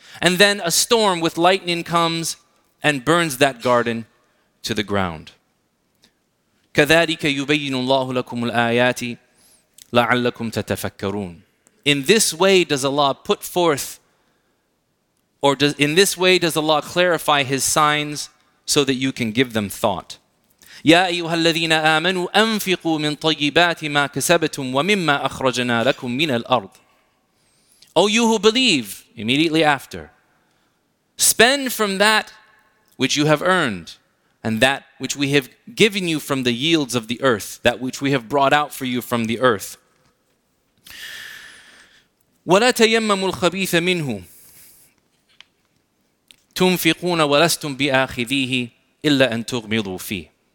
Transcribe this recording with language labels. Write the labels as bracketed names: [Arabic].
[English] And then a storm with lightning comes and burns that garden to the ground. [Arabic] كَذَلِكَ يُبَيِّنُ اللَّهُ لَكُمُ الْآيَاتِ لَعَلَّكُمْ تَتَفَكَّرُونَ. [English] In this way does Allah put forth, or does in this way does Allah clarify His signs so that you can give them thought. [Arabic] يَا أَيُّهَا الَّذِينَ آمَنُوا أَنْفِقُوا مِنْ طَيِّبَاتِ مَا كَسَبَتُمْ وَمِمَّا أَخْرَجَنَا لَكُمْ مِنَ الْأَرْضِ. [English] O you who believe, immediately after, Spend from that which you have earned, and that which we have given you from the yields of the earth, that which we have brought out for you from the earth. [Arabic] وَلَا تَيَمَّمُوا الْخَبِيثَ مِنْهُ تُنْفِقُونَ وَلَسْتُمْ بِآخِذِيهِ إِلَّا أَن تُغْمِضُوا فِيهِ.